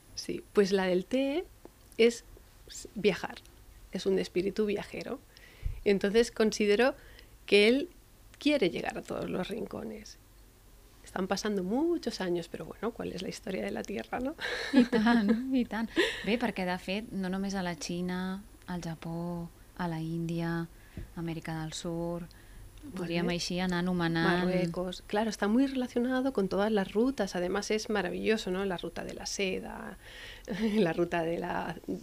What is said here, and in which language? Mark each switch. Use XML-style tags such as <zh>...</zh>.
<es>Sí, pues la del té es viajar. Es un espíritu viajero. Entonces considero que él quiere llegar a todos los rincones. Están pasando muchos años, pero bueno, ¿cuál es la historia de la Tierra, no?</es> <ca>I tant, i tant. Bé, perquè de fet, no només a la Xina, al Japó, a la Índia, Amèrica del Sur, podríem així anar anomenant...</ca> <es>Marruecos. Claro, está muy relacionado con todas las rutas. Además, es maravilloso, ¿no? La ruta de la seda, la ruta de la...</es>